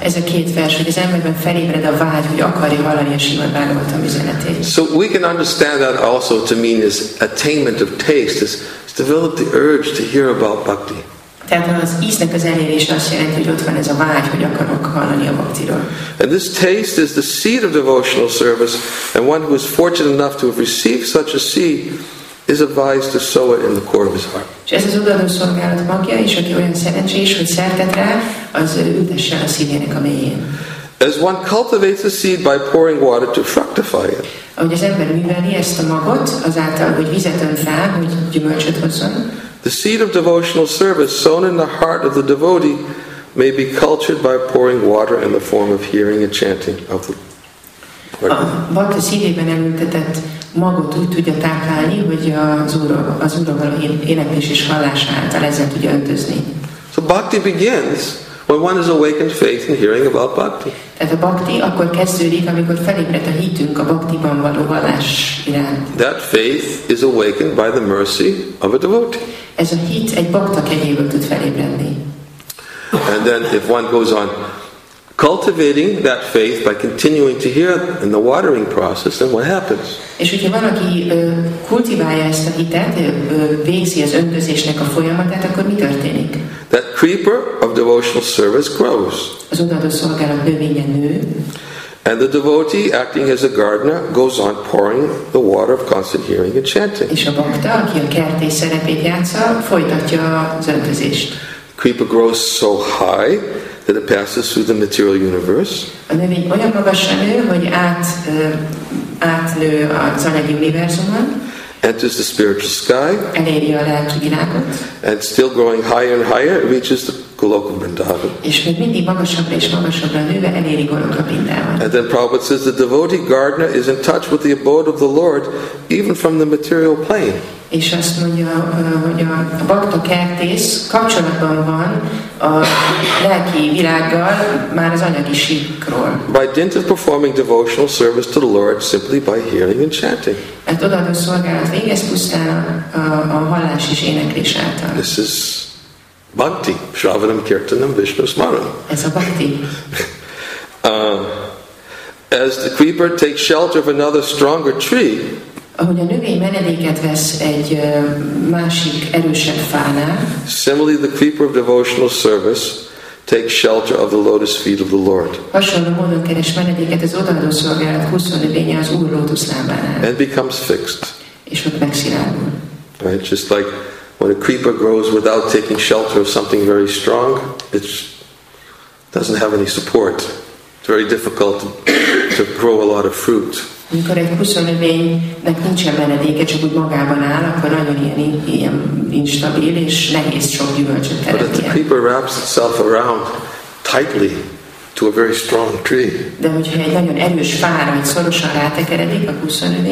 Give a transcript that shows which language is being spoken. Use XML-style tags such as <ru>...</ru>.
<hu>Ez a két vers, hogy az emberben felébred a vágy, hogy akarja hallani a Srimad Bhagavatam üzenetét.</hu> <en>So we can understand that also to mean is attainment of taste, is develop the urge to hear about bhakti.</en> <hu>Tehát az íznek az elérése azt jelenti, hogy ott van ez a vágy, hogy akarok hallani a bhaktiról.</hu> <en>And this taste is the seed of devotional service, and one who is fortunate enough to have received such a seed is advised to sow it in the core of his heart.</en> <hu>Ez az odaadó szolgálat magja, és aki olyan szerencsés, hogy szertet rá, az ültesse a szívének a mélyén.</hu> <en>As one cultivates a seed by pouring water to fructify it.</en> <hu>Ahogy az ember műveli ezt a magot, azáltal, hogy vizet önt rá, hogy gyümölcsöt hozzon.</hu> <en>The seed of devotional service sown in the heart of the devotee may be cultured by pouring water in the form of hearing and chanting of the Lord.</en> <hu>Bhakta szívében elültetett magot úgy tudja táplálni, hogy az Úrral való éneklés és hallás által ezzel tudja öntözni.</hu> <en>So bhakti begins when one is awakened faith in hearing about bhakti.</en> <hu>Tehát a bhakti akkor kezdődik, amikor felébred a hitünk a bhaktiban való hallás iránt.</hu> <en>That faith is awakened by the mercy of a devotee.</en> <hu>Ez a hit egy bhakta kegyéből tud felébredni.</hu> <en>And then if one goes on cultivating that faith by continuing to hear in the watering process, then what happens?</en> <hu>És hogyha valaki kultiválja ezt a hitet, végzi az öntözésnek a folyamatát, akkor mi történik?</hu> <en>That creeper of devotional service grows.</en> <hu>Az odaadó szolgálat növénye nő.</hu> <en>And the devotee, acting as a gardener, goes on pouring the water of constant hearing and chanting.</en> <hu>És a bhakta, aki a kertész szerepét játsza, folytatja az öntözést.</hu> <en>The creeper grows so high that it passes through the material universe.</en> <hu>A növény olyan magasra nő, hogy átlő az anyagi univerzumon.</hu> <en>Enters the spiritual sky.</en> <hu>Eléri a lelki világot.</hu> <en>And still growing higher and higher, it reaches the Goloka Vrindavan.</en> <hu>És még mindig magasabbra és magasabbra nőve eléri Goloka Vrindavan.</hu> <en>And then Prabhupada says the devotee gardener is in touch with the abode of the Lord even from the material plane.</en> <hu>És azt mondja, hogy a bhakta kertész kapcsolatban van a lelki világgal már az anyagi síkról.</hu> <en>By dint of performing devotional service to the Lord simply by hearing and chanting.</en> <hu>Mert odaadó szolgálat végez pusztán a hallás és éneklés által.</hu> <en>This is bhakti, shravanam, kirtanam, vishnu, smaranam.</en> <hu>Ez a bhakti.</hu> <en>As the creeper takes shelter of another stronger tree,</en> <hu>ahogy a növény menedéket vesz egy másik erősebb fánál,</hu> <en>similarly the creeper of devotional service takes shelter of the lotus feet of the Lord.</en> <hu>Hasonló módon keres menedéket az odaadó szolgálat húszon növénye az Úr lótuszlábánál.</hu> <en>And becomes fixed.</en> <hu>És ott megszilárdul.</hu> <en>Right, just like When a creeper grows without taking shelter of something very strong, it doesn't have any support. It's very difficult to grow a lot of fruit.</en> <hu>Amikor egy kuszonövénynek nincs menedéke, csak úgy magában áll, akkor nagyon ilyen instabil és nehéz sok gyümölcsöt teremtjen.</hu> <en>But if the creeper wraps itself around tightly to a very strong tree,</en> <hu>de hogyha egy nagyon erős fára, amit szorosan rátekeredik a kuszonövény,</hu>